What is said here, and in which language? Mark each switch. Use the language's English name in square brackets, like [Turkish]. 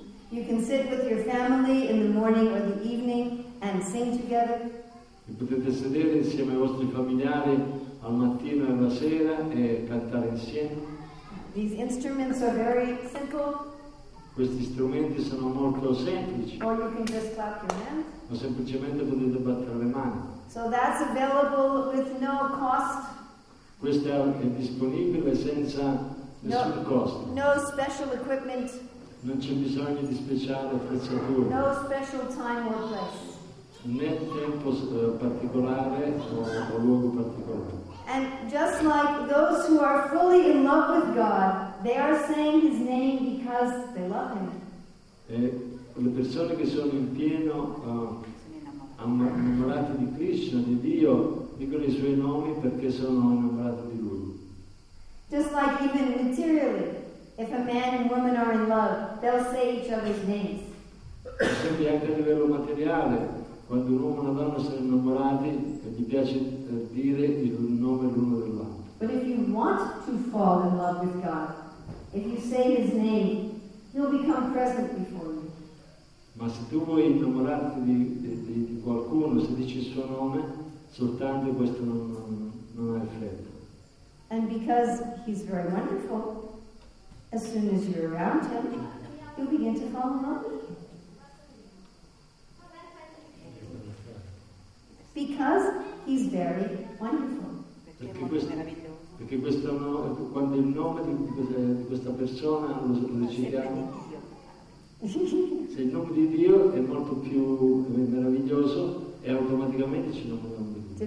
[English] You can sit with your family in the morning or the evening and sing together. [Italian] E potete sedere insieme ai vostri familiari al mattino e alla sera e cantare insieme. [English] These instruments are very simple. [Italian] Questi strumenti sono molto semplici. [English] Or you can just clap your hands. [Italian] O semplicemente potete battere le mani. [English] So that's available with no cost. [Italian] Questo è disponibile senza nessun costo. [English] No special equipment. [Italian] Non c'è bisogno di speciale attrezzatura. [English] No special time or place. [Italian] Né tempo particolare o luogo particolare. [English] And just like those who are fully in love with God, they are saying His name because they love Him. [Italian] E le persone che sono in pieno innamorate di Krishna, di Dio, dicono i Suoi nomi perché sono innamorate di Lui. [English] Just like even materially, if a man and woman are in love, they'll say each other's names. [Italian] Quindi anche a livello materiale. Quando un uomo e una donna sono innamorati, gli piace dire il nome l'uno dell'altro. [English] But if you want to fall in love with God, if you say His name, He'll become present before you. [Italian] Ma se tu vuoi innamorarti di qualcuno, se dici il suo nome, soltanto questo non ha effetto. [English] And because He's very wonderful, as soon as you're around Him, you'll begin to fall in love with Him. Because he's very wonderful. [Italian] Perché, perché questo nome, quando il nome di questa persona lo recitiamo, se il nome di Dio è molto più meraviglioso, e automaticamente ci nomina un nome di Dio.